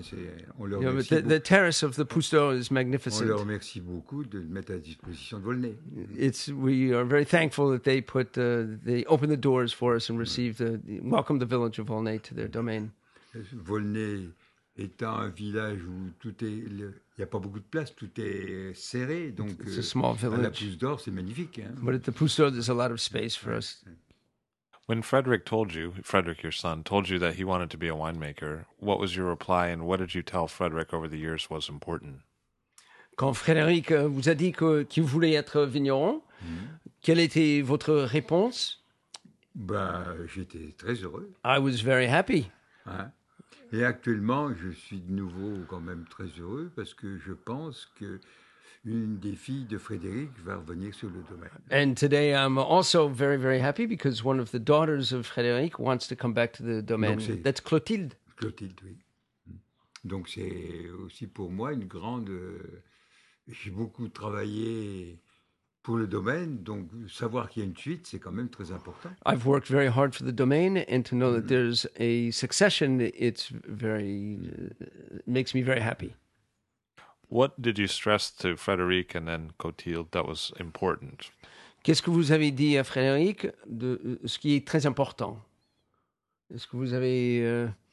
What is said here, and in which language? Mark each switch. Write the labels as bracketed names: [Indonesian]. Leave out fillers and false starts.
[English] The terrace of the Pousse d'Or is magnificent. [French] On leur remercie beaucoup de mettre à disposition de Volney. [English] We are very thankful that they they open the doors for us and welcome the village of Volney to their domain. [French] Volney étant un village où tout est, il n'y a pas beaucoup de place, tout est serré. Donc, [English] it's a small village. [French] À la Pousse d'Or, c'est magnifique. Hein. [English] But at the Pousse d'Or, there's a lot of space for us. When Frederick, your son, told you that he wanted to be a winemaker, what was your reply and what did you tell Frederick over the years was important? [French] Quand Frédéric vous a dit qu'il voulait être vigneron, quelle était votre réponse? Bah, j'étais très heureux. [English] I was very happy. [French] Hein? Et actuellement, je suis de nouveau quand même très heureux parce que je pense que une des filles de Frédéric va revenir sur le domaine. [English] And today I'm also very, very happy because one of the daughters of Frédéric wants to come back to the domain. That's Clotilde. [French] Clotilde, oui. Donc c'est aussi pour moi une grande... J'ai beaucoup travaillé pour le domaine, donc savoir qu'il y a une suite, c'est quand même très important. [English] I've worked very hard for the domain and to know that there's a succession, it's very... makes me very happy. What did you stress to Frédéric and then Clotilde that was important? [French] Qu'est-ce que vous avez dit à Frédéric de ce qui est très important? Est-ce que vous avez